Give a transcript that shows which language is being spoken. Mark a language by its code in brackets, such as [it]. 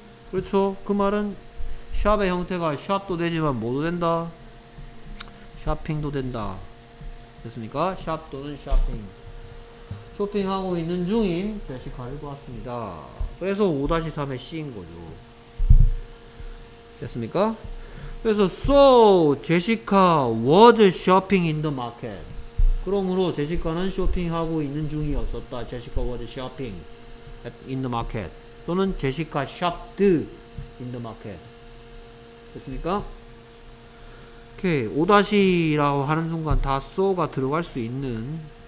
[ko] 그렇죠. 그 말은 샵의 형태가 샵도 되지만 뭐도 된다. 샤핑도 된다. 됐습니까? 샵 또는 샤핑. 쇼핑하고 있는 중인 제시카를 보았습니다. 그래서 5-3의 C인 거죠. 됐습니까? 그래서 [en] So, Jessica was shopping in the market. [ko] 그러므로 제시카는 쇼핑하고 있는 중이었었다. [en] Jessica was shopping in the market. [ko] 또는 [en] 제시카 shopped in the market. [ko] 됐습니까? 오케이. 5-라고 하는 순간 다 so가 들어갈 수 있는.